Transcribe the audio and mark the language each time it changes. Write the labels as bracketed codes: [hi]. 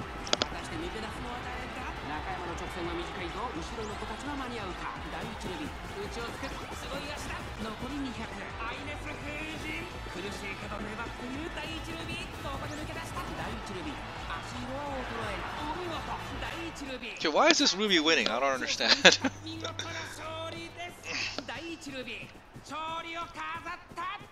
[ja] 果たして抜け出すのは誰か。中山の直線は短いぞ。後ろの子たちは間に合うか。第1ルビー打ちをつけた。すごい足だ。残り200。アイネス封じ、苦しいけど粘っている。第1ルビーここで抜け出した。第1ルビー足色は衰えない。お見事第1ルビー。 [en] Okay, why is this ruby winning? I don't understand. [ja] 見事な勝利です。第1ルビー勝利を飾った。